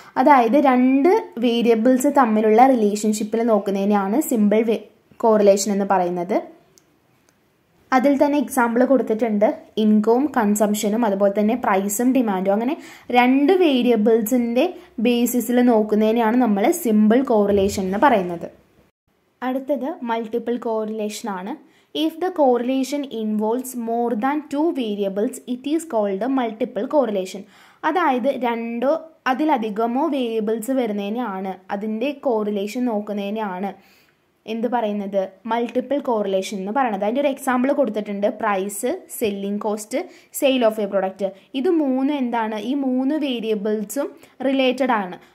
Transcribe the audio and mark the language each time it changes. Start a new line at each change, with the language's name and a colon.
Malayalam: അതായത് രണ്ട് വേരിയബിൾസ് തമ്മിലുള്ള റിലേഷൻഷിപ്പിൽ നോക്കുന്നതിനെയാണ് സിമ്പിൾ കോറിലേഷൻ എന്ന് പറയുന്നത്. അതിൽ തന്നെ എക്സാമ്പിൾ കൊടുത്തിട്ടുണ്ട്, ഇൻകവും കൺസംഷനും അതുപോലെ തന്നെ പ്രൈസും ഡിമാൻഡും. അങ്ങനെ രണ്ട് വേരിയബിൾസിൻ്റെ ബേസിസിൽ നോക്കുന്നതിനെയാണ് നമ്മൾ സിമ്പിൾ കോറിലേഷൻ എന്ന് പറയുന്നത്. അടുത്തത് മൾട്ടിപ്പിൾ കോറിലേഷൻ ആണ്.
English: If the correlation involves more than two variables, it is called a multiple correlation.
Malayalam: അതായത് രണ്ടോ അതിലധികമോ വേരിയബിൾസ് വരുന്നതിനെയാണ് അതിൻ്റെ കോറിലേഷൻ നോക്കുന്നതിനെയാണ് എന്ത് പറയുന്നത്, മൾട്ടിപ്പിൾ കോറിലേഷൻ എന്ന് പറയുന്നത്. അതിൻ്റെ ഒരു എക്സാമ്പിൾ കൊടുത്തിട്ടുണ്ട്, price, selling cost, sale of A product. ഇത് മൂന്നും എന്താണ്, ഈ മൂന്ന് വേരിയബിൾസും റിലേറ്റഡ് ആണ്.